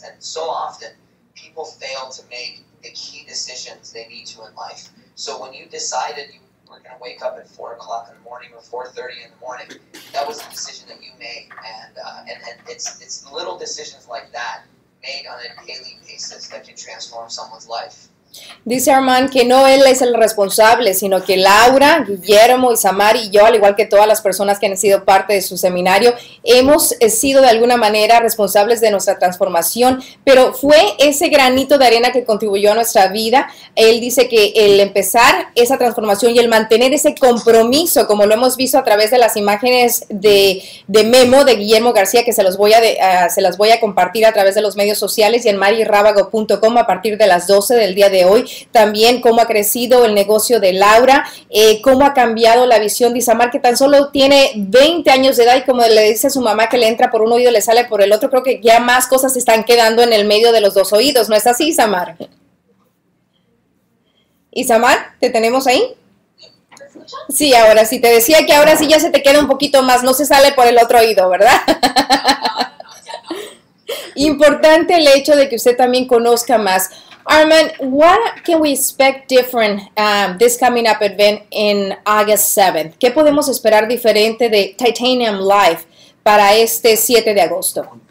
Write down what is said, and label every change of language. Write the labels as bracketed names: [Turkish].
[English] And so often, people fail to make the key decisions they need to in life. So when you decided you were going to wake up at 4 o'clock in the morning or 4:30 in the morning, that was a decision that you made. And it's little decisions like that made on a daily basis that can transform someone's life. [Spanish] Dice Armand que no él es el responsable, sino que Laura, Guillermo, Isamar y yo, al igual que todas las personas que han sido parte de su seminario, hemos sido de alguna manera responsables de nuestra transformación, pero fue ese granito de arena que contribuyó a nuestra vida. Él dice que el empezar esa transformación y el mantener ese compromiso, como lo hemos visto a través de las imágenes de Memo, de Guillermo García, que se las voy a compartir a través de los medios sociales y en marirábago.com a partir de las 12 del día de hoy, también cómo ha crecido el negocio de Laura, cómo ha cambiado la visión de Isamar, que tan solo tiene 20 años de edad y como le dice a su mamá que le entra por un oído y le sale por el otro, creo que ya más cosas están quedando en el medio de los dos oídos, ¿no es así, Isamar? Isamar, ¿te tenemos ahí? Sí, ahora sí, te decía que ahora sí ya se te queda un poquito más, no se sale por el otro oído, ¿verdad? Importante el hecho de que usted también conozca más. [English] Armand, what can we expect different this coming up event in August 7th? [Spanish] ¿Qué podemos esperar diferente de Titanium Life para este 7 de agosto?